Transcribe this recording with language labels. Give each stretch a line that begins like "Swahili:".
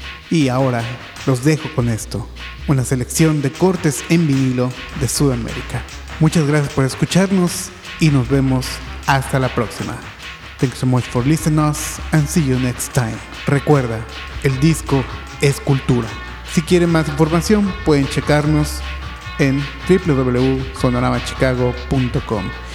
Spanish: Y ahora los dejo con esto, una selección de cortes en vinilo de Sudamérica. Muchas gracias por escucharnos y nos vemos hasta la próxima.
English: Thank you so much for listening to us and see you next time.
Spanish: Recuerda, el disco es cultura. Si quieren más información, pueden checarnos en www.sonoramachicago.com.